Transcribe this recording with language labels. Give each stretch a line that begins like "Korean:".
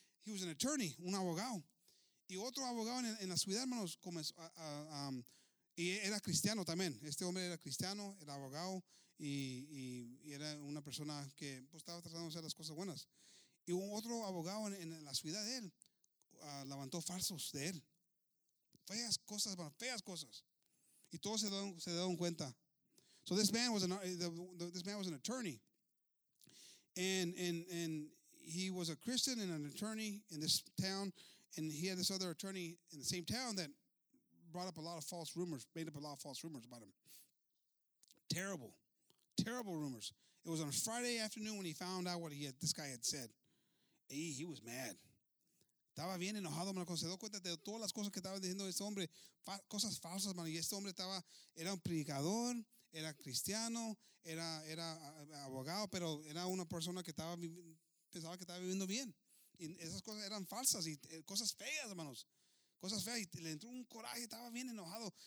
English: He was an attorney,
Spanish: un abogado. Y otro abogado en la ciudad, manos, comenzó y era cristiano también. Este hombre era cristiano, era abogado. Y era una persona que pues, estaba tratando de hacer las cosas buenas. Y un otro abogado en la ciudad de él levantó falsos de él. Feas cosas, bueno, feas cosas. Y todos se dieron cuenta.
English: So this man was an attorney. And he was a Christian and an attorney in this town. And he had this other attorney in the same town that brought up a lot of false rumors, made up a lot of false rumors about him. Terrible. Terrible rumors. It was on a Friday afternoon when he found out what this guy had said. He was mad.
Spanish: Estaba bien enojado, hermano, cuando se dio cuenta de todas las cosas que estaba diciendo este hombre, cosas falsas, hermano. Y este hombre era un predicador, era cristiano, era abogado, pero era una persona que pensaba que estaba viviendo bien. Y esas cosas eran falsas y cosas feas, hermanos. Cosas feas, y le entró un coraje, estaba bien enojado.